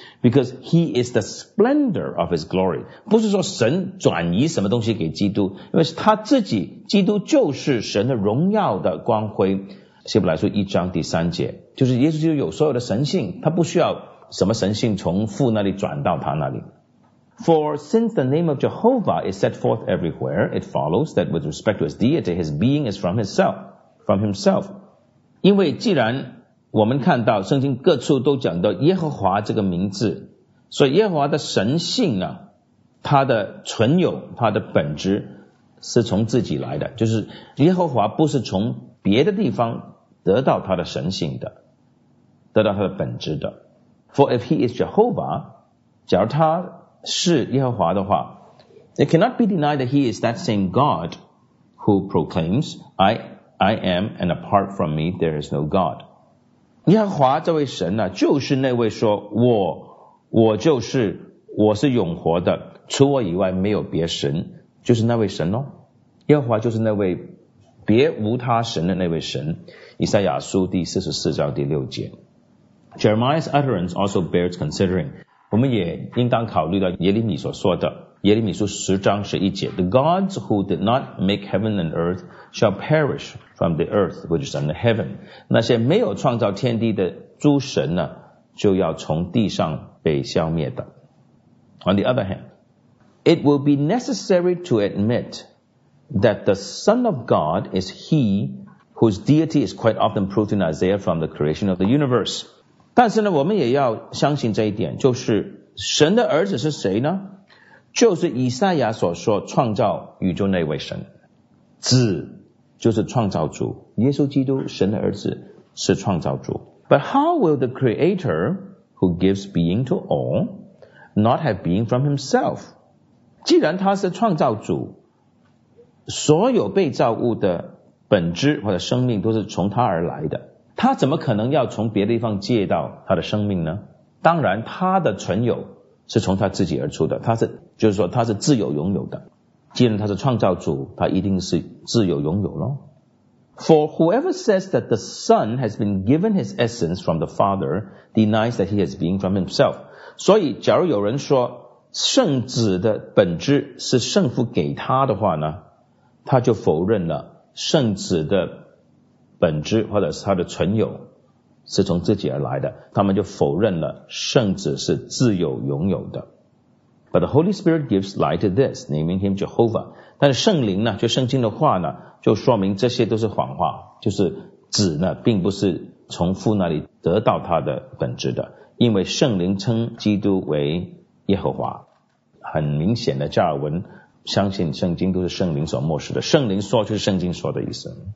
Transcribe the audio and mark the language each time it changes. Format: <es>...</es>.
<en>Because he is the splendor of his glory.</en> <zh>不是说神转移什么东西给基督因为他自己基督就是神的荣耀的光辉。希伯来书一章第三节就是耶稣基督有所有的神性他不需要什么神性从父那里转到他那里。</zh> <en>For since the name of Jehovah is set forth everywhere, it follows that with respect to his deity, his being is from himself.</en> <zh>因为既然我们看到圣经各处都讲到耶和华这个名字所以耶和华的神性啊他的存有他的本质是从自己来的就是耶和华不是从别的地方得到他的神性的得到他的本质的。</zh> <en>For if he is Jehovah,</en> <zh>假如他是耶和华的话</zh> <en>It cannot be denied that he is that same God who proclaims, I am and apart from me there is no God.</en> <zh>耶和华这位神呢、啊、就是那位说我是永活的除我以外没有别神就是那位神哦。耶和华就是那位别无他神的那位神。以赛亚书第四十四章第六节。</zh> <en>Jeremiah's utterance also bears considering.</en> <zh>我们也应当考虑到耶利米所说的耶利米书十章十一节。</zh> <en>The gods who did not make heaven and earth shall perish from the earth which is under heaven.</en> <zh>那些没有创造天地的诸神呢就要从地上被消灭的。</zh> <en>On the other hand, it will be necessary to admit that the Son of God is he whose deity is quite often proved in Isaiah from the creation of the universe.</en> <zh>但是呢我们也要相信这一点就是神的儿子是谁呢就是以赛亚所说创造宇宙那位神。子就是创造主耶稣基督神的儿子是创造主。</zh> <en>But how will the creator who gives being to all not have being from himself?</en> <zh>既然他是创造主所有被造物的本质或者生命都是从他而来的。他怎么可能要从别的地方借到他的生命呢当然他的存有是从他自己而出的他是就是说他是自由拥有的。既然他是创造主他一定是自由拥有咯。</zh> <en>For whoever says that the Son has been given his essence from the Father denies that he has been from himself.</en> <zh>所以假如有人说圣子的本质是圣父给他的话呢他就否认了圣子的本质或者是他的存有是从自己而来的他们就否认了圣子是自有拥有的。</zh> <en>But the Holy Spirit gives light to this, naming him Jehovah.</en> <zh>但是圣灵呢，就圣经的话呢，就说明这些都是谎话，就是子呢，并不是从父那里得到他的本质的，因为圣灵称基督为耶和华。很明显的，加尔文相信圣经都是圣灵所默示的，圣灵说就是圣经说的意思。</zh>